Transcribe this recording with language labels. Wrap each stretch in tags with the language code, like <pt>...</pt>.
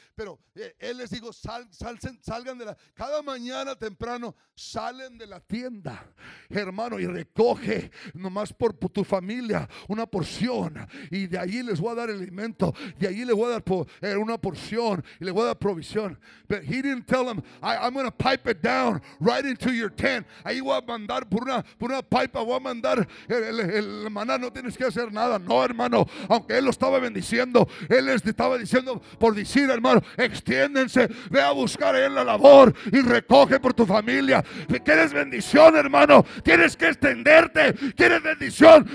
<es>Pero él les digo, salgan de la, cada mañana temprano salen de la tienda, hermano, y recoge nomás por tu familia una porción. Y de ahí les voy a dar alimento. De ahí les voy a dar una porción y les voy a dar provisión.</es> <en>But he didn't tell them, I'm going to pipe it down right into your tent.</en> <es>Ahí voy a mandar por una pipa, voy a mandar el maná. No tienes que hacer nada. No, hermano, aunque él lo estaba bendiciendo, él les estaba diciendo, por decir, hermano, extiéndense, ve a buscar en la labor y recoge por tu familia. ¿Quieres bendición, hermano? Tienes que extenderte. ¿Quieres bendición?</es>